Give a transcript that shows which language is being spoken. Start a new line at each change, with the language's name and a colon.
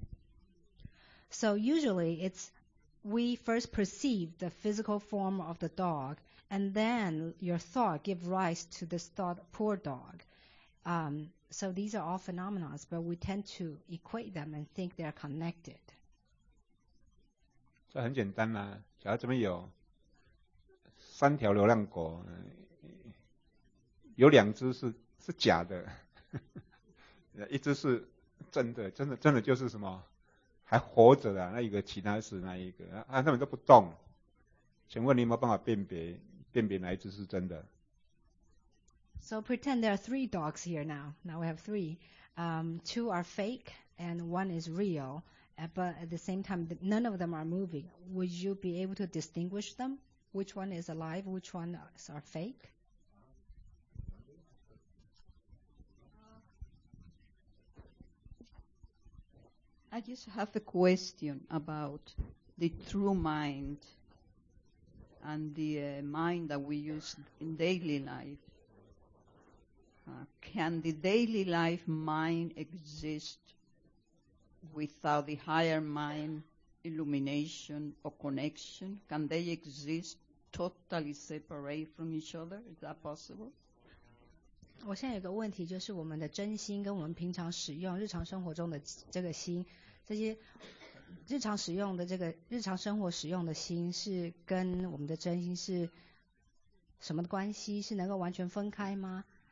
Chinese: 通常是你的注意力，注意这流浪狗，然后就产生一个就是流浪狗很可怜的一个声像嘛。那我们会把这个声像跟流浪狗连接在一起。
English: So usually it's we first perceive the physical form of the dog, and then your thought give rise to this thought, poor dog. So these are all phenomena, but we tend to equate them and think they are connected.
Chinese: 这很简单啊，假如这边有三条流浪狗，有两只是假的，一只是真的，真的就是什么还活着的，那一个其他是那一个，他们都不动，请问你有没有办法辨别哪一只是真的？
English: So pretend there are three dogs here now. Now we have three. Two are fake and one is real. But at the same time, none of them are moving. Would you be able to distinguish them? Which one is alive? Which one are fake? I just have a question about the true mind and the mind that we use in daily life. Can the daily life mind exist without the higher mind illumination or connection? Can they exist totally separate from each other? Is that possible?
Chinese: 我现在有个问题，就是我们的真心跟我们平常使用、日常生活中的这个心，这些日常使用的这个日常生活使用的心，是跟我们的真心是什么的关系？是能够完全分开吗？